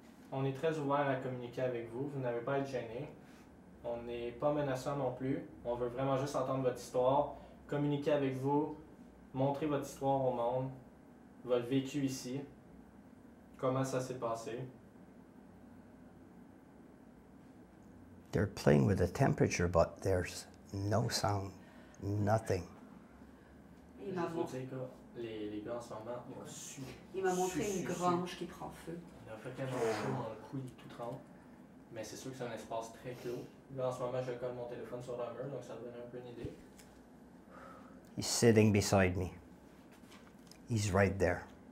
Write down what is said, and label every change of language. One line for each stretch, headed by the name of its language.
French: On est très ouvert à communiquer avec vous. Vous n'avez pas à être gêné. On n'est pas menaçant non plus. On veut vraiment juste entendre votre histoire, communiquer avec vous, montrer votre histoire au monde, votre vécu ici, comment ça s'est passé.
English: They're playing with the temperature, but there's no sound, nothing.
French: Il m'a montré. Les gars en ce moment ont su. Il m'a montré une grange qui prend feu. Il a fait tellement chaud dans le cou, il tout tremble. Mais c'est sûr que c'est un espace très clos. Là en ce moment, je colle mon téléphone sur le mur, donc ça donne un peu une idée.
English: He's sitting beside me. He's right there.